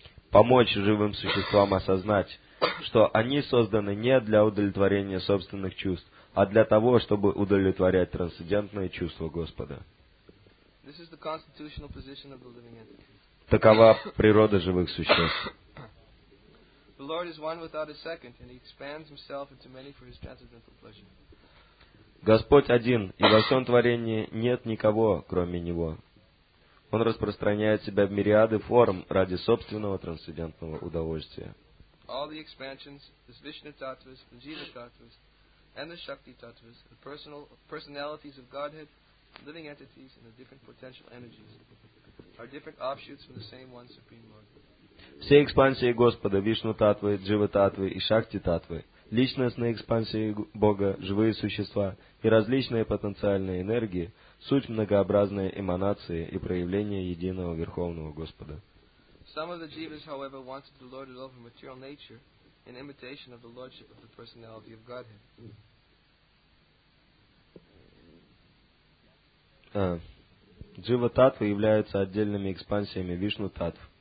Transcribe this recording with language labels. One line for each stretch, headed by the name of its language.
Russian: Помочь живым существам осознать, что они созданы не для удовлетворения собственных чувств, а для того, чтобы удовлетворять трансцендентные чувства Господа.
English: This is the constitutional position of the living entity.
Russian: Такова природа живых существ.
English: The Lord is one without a second, and He expands Himself into many for His transcendental pleasure.
Russian: Господь один, и во всем творении нет никого, кроме Него. Он распространяет Себя в мириады форм ради собственного трансцендентного удовольствия.
English: All the expansions, the Vishnu tattvas, the Jiva tattvas, and the Shakti tattvas, the personalities of Godhead, living entities and the different potential energies are different offshoots from the same one Supreme Lord.
Russian: Все экспансии Господа, Вишну-таттвы, Джива-таттвы и Шакти-таттвы, личностные экспансии Бога, живые существа и различные потенциальные энергии — суть многообразной эманации и проявления единого Верховного Господа.
English: Some of the Jivas, however, wanted the Lord to love material nature in imitation of the Lordship of the Personality of Godhead.
Russian: Джива-таттвы являются отдельными экспансиями Вишну-таттв.